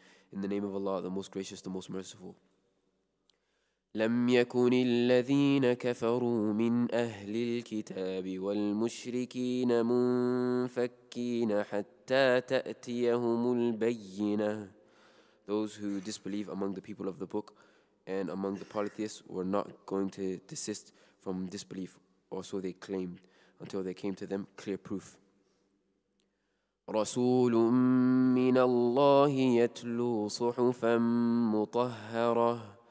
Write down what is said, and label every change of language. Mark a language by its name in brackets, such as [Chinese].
[English] In the name of Allah, the Most Gracious, the Most Merciful. [Arabic] لم يكن الذين كفروا من أهل الكتاب والمشركين منفكين حتى تأتيهم البينة. [English] Those who disbelieve among the people of the book and among the polytheists were not going to desist from disbelief, or so they claimed, until they came to them clear proof. [Arabic] رسول من الله يتلو صحفا مطهرة.